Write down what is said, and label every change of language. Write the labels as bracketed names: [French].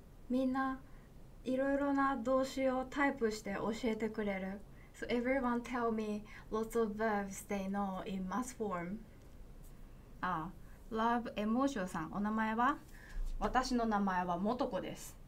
[Japanese] みんな、いろいろな動詞をタイプして教えてくれる。 [English] So everyone tell me lots of verbs they know in mass form. [Japanese] Love Emotion さん、お名前は？私の名前はもとこです。